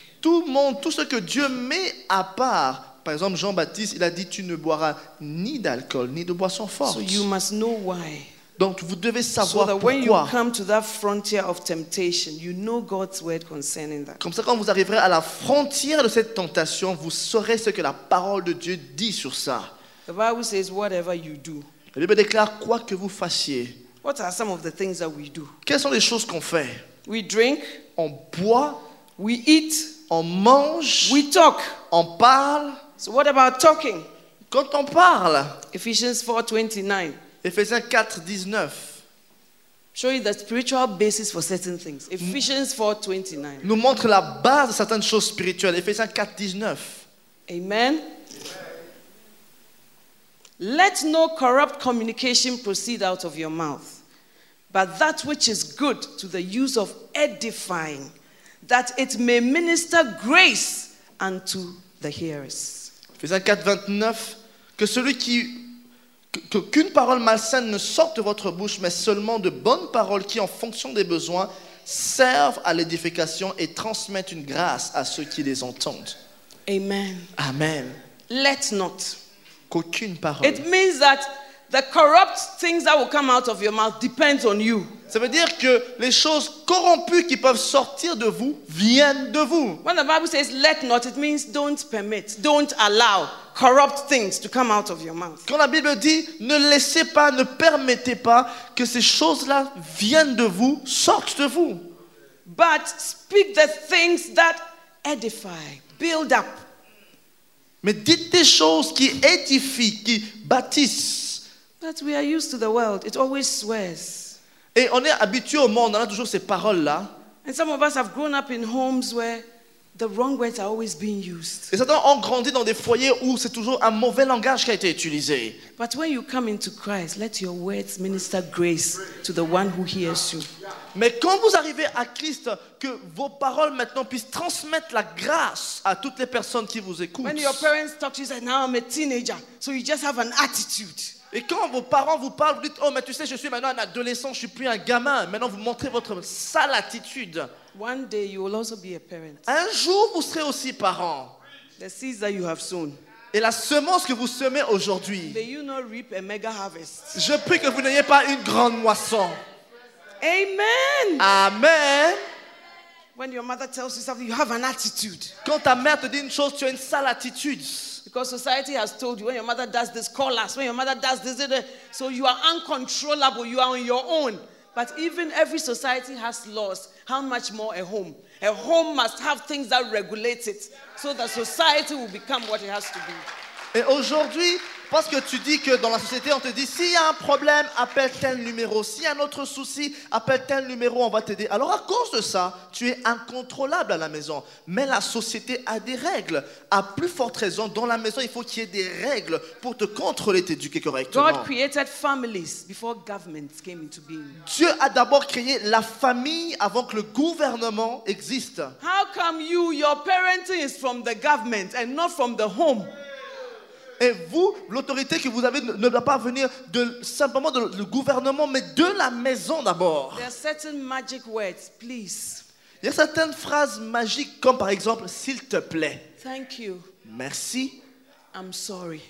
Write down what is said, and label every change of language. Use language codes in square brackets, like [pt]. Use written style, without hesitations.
[fr] Tout le monde, tout ce que Dieu met à part, par exemple Jean-Baptiste, il a dit tu ne boiras ni d'alcool ni de boissons fortes. [en] So you must know why. [fr] Donc vous devez savoir pourquoi. Comme ça, quand vous arriverez à la frontière de cette tentation, vous saurez ce que la parole de Dieu dit sur ça. [en] The Bible says, whatever you do. [fr] La Bible déclare quoi que vous fassiez. [en] What are some of the things that we do? [fr] Quelles sont les choses qu'on fait? [en] We drink. [fr] On boit. [en] We eat. [fr] On mange. [en] We talk. [fr] On parle. [en] So what about talking? [fr] Quand on parle. [en] Ephesians 4:29. [fr] Ephésiens 4, 19. [en] Show you the spiritual basis for certain things. Ephesians 4, 29. [fr] Nous montre la base de certaines choses spirituelles. Ephésiens 4, 19. Amen. [en] Let no corrupt communication proceed out of your mouth, but that which is good to the use of edifying, that it may minister grace unto the hearers. [fr] Ephésiens 4, 29. Que celui qui... Qu'aucune parole malsaine ne sorte de votre bouche, mais seulement de bonnes paroles qui, en fonction des besoins, servent à l'édification et transmettent une grâce à ceux qui les entendent. Amen. Amen. [en] Let not. [fr] Qu'aucune parole. [en] It means that the corrupt things that will come out of your mouth depends on you. [fr] Ça veut dire que les choses corrompues qui peuvent sortir de vous viennent de vous. [en] When the Bible says let not, it means don't permit, don't allow corrupt things to come out of your mouth. [fr] Quand la Bible dit ne laissez pas, ne permettez pas que ces choses-là viennent de vous, sortent de vous. [en] But speak the things that edify, build up. [fr] Mais dites des choses qui édifient, qui bâtissent. [en] But we are used to the world, it always swears. [fr] Et on est habitué au monde, on a toujours ces paroles-là. [en] And some of us have grown up in homes where The wrong words are always being used. [fr] Et certains ont grandi dans des foyers où c'est toujours un mauvais langage qui a été utilisé. [en] But when you come into Christ, let your words minister grace to the one who hears you. [fr] Mais quand vous arrivez à Christ, que vos paroles maintenant puissent transmettre la grâce à toutes les personnes qui vous écoutent. [en] When your parents talk to you, say, "Now I'm a teenager," so you just have an attitude. [fr] Et quand vos parents vous parlent, vous dites, oh, mais tu sais, je suis maintenant un adolescent, je ne suis plus un gamin. Maintenant, vous montrez votre sale attitude. [en] One day, you will also be a parent. [fr] Un jour, vous serez aussi parent. [en] The seeds that you have sown. [fr] Et la semence que vous semez aujourd'hui. [en] May you not reap a mega harvest. [fr] Je prie que vous n'ayez pas une grande moisson. Amen. Amen. [en] When your mother tells you something, you have an attitude. [fr] Quand ta mère te dit une chose, tu as une sale attitude. [en] Because society has told you, when your mother does this, call us. When your mother does this, so you are uncontrollable. You are on your own. But even every society has laws. How much more a home? A home must have things that regulate it, so that society will become what it has to be. [fr] Et aujourd'hui, parce que tu dis que dans la société, on te dit, s'il y a un problème, appelle tel numéro. S'il y a un autre souci, appelle tel numéro, on va t'aider. Alors à cause de ça, tu es incontrôlable à la maison. Mais la société a des règles. À plus forte raison, dans la maison, il faut qu'il y ait des règles pour te contrôler, t'éduquer correctement. [en] God created families before governments came into being. [fr] Dieu a d'abord créé la famille avant que le gouvernement existe. [en] How come you, your parenting is from the government and not from the home? [fr] Et vous, l'autorité que vous avez ne doit pas venir de, simplement du de gouvernement, mais de la maison d'abord. [en] There are certain magic words, please. [fr] Il y a certaines phrases magiques, comme par exemple, s'il te plaît. [en] Thank you. [fr] Merci. [en] I'm sorry.